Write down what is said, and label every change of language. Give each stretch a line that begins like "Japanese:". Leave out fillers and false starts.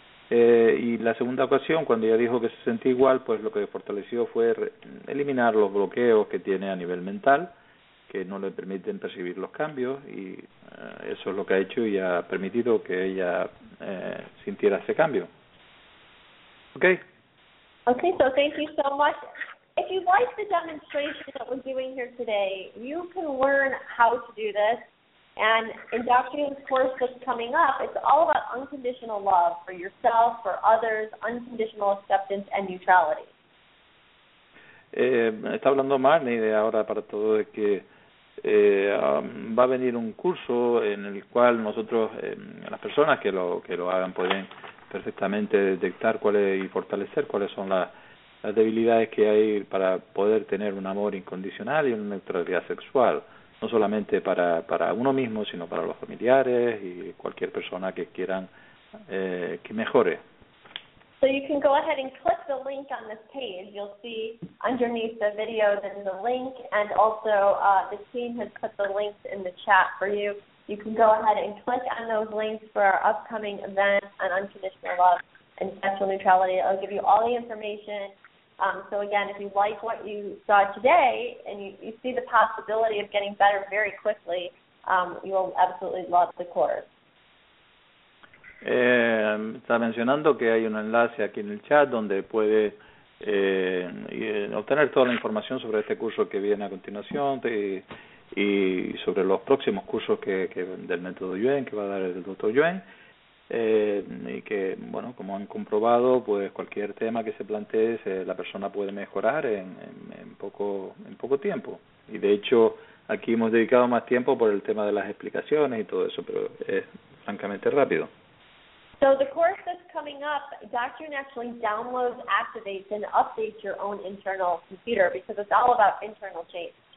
Spanish: Y la segunda ocasión, cuando ella dijo que se sentía igual, pues lo que fortaleció fue eliminar los bloqueos que tiene a nivel mental, que no le permiten percibir los cambios, y eso es lo que ha hecho y ha permitido que ella sintiera ese cambio.
English: Okay. Okay, so thank you so much. If you like the demonstration that we're doing here today, you can learn how to do this. And in Dr. Yun's course that's coming up, it's all about unconditional love for yourself, for others, unconditional acceptance and neutrality.
Spanish: Está hablando Marnie de ahora para todo de que va a venir un curso en el cual nosotros, las personas que lo hagan, pueden perfectamente detectar cuáles son las debilidades que hay para poder tener un amor incondicional y una neutralidad sexual, no solamente para uno mismo, sino para los familiares y cualquier persona que quieran que mejore.
English: So you can go ahead and click the link on this page. You'll see underneath the video then the link, and also the team has put the links in the chat for you. You can go ahead and click on those links for our upcoming event on unconditional love and sexual neutrality. It'll give you all the information. So again, if you like what you saw today and you see the possibility of getting better very quickly, you will absolutely love the course.
Spanish: Está mencionando que hay un enlace aquí en el chat donde puede obtener toda la información sobre este curso que viene a continuación y sobre los próximos cursos que del método Yuen que va a dar el doctor Yuen, y que, bueno, como han comprobado, pues cualquier tema que se plantee la persona puede mejorar en poco tiempo, y de hecho aquí hemos dedicado más tiempo por el tema de las explicaciones y todo eso, pero es francamente rápido.
English: So the course that's coming up, Dr. Yun actually downloads, activates, and updates your own internal computer because it's all about internal change.